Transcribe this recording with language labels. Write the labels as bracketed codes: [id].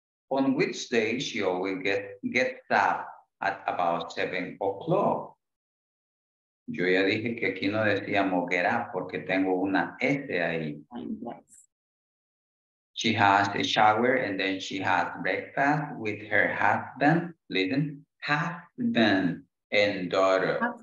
[en] On which day she always gets up at about 7 o'clock. [es] Yo ya dije que aquí no decíamos get up porque tengo una S ahí. [en] She has a shower and then she has breakfast with her husband. Listen, husband and daughter.